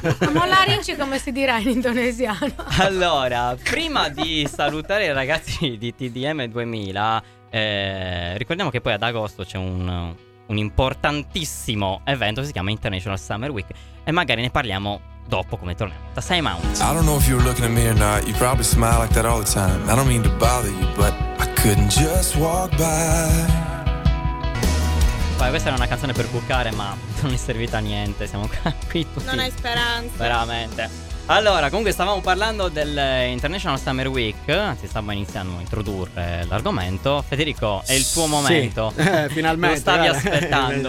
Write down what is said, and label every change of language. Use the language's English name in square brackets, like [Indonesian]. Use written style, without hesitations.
[Italian] Mollarinci, come si dirà in indonesiano. Allora, prima di salutare i ragazzi di TDM 2000, ricordiamo che poi ad agosto c'è un importantissimo evento, si chiama International Summer Week, e magari ne parliamo dopo come torniamo da Same Mount. [English] I don't know if you're looking at me or not. You probably smile like that all the time. I don't mean to bother you, but I couldn't just walk by. [Italian] Poi questa era una canzone per cuccare, ma non è servita a niente. Siamo qui tutti. Non hai speranza. Veramente. Allora, comunque stavamo parlando del International Summer Week. Anzi, stavamo iniziando a introdurre l'argomento. Federico, è il tuo momento. Sì, finalmente. Lo stavi aspettando.